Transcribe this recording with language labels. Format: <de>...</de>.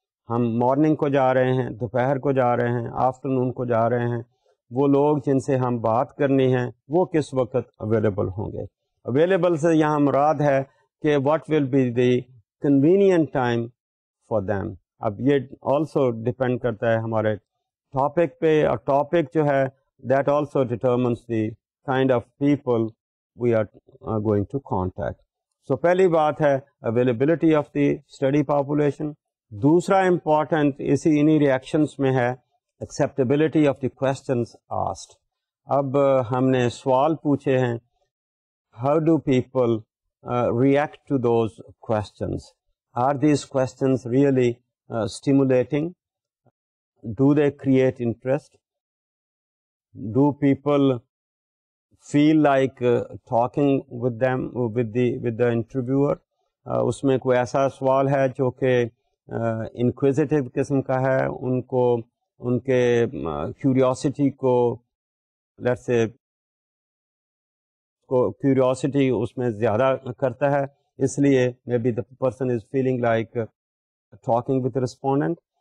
<ur>ہم مارننگ کو جا رہے ہیں, دوپہر کو جا رہے ہیں, آفٹرنون کو جا رہے ہیں, وہ لوگ جن سے ہم بات کرنی ہیں وہ کس وقت اویلیبل ہوں گے. اویلیبل سے یہاں مراد ہے کہ</ur> <en>What will be the convenient time for them.</en> <ur>اب یہ آلسو ڈپینڈ کرتا ہے ہمارے ٹاپک پہ, اور ٹاپک جو ہے</ur> <en>That also determines the kind of people we are going to contact. So,</en> <ur>پہلی بات ہے</ur> <en>availability of the study population. دوسرا important</en> <ur>اسی انہی</ur> <en>reactions میں ہے acceptability of the questions asked.</en> <ur>اب ہم نے سوال پوچھے ہیں</ur> <en>how do people react to those questions? Are these questions really stimulating? Do they create interest? Do people feel like talking with them, with the interviewer?</en> <ur>اس میں کوئی ایسا سوال ہے جو کہ inquisitive قسم کا ہے, ان کو ان کے curiosity کو let's say curiosity اس میں زیادہ کرتا ہے, اس لیے</ur> <en>maybe the person is feeling like talking with the respondent.</en>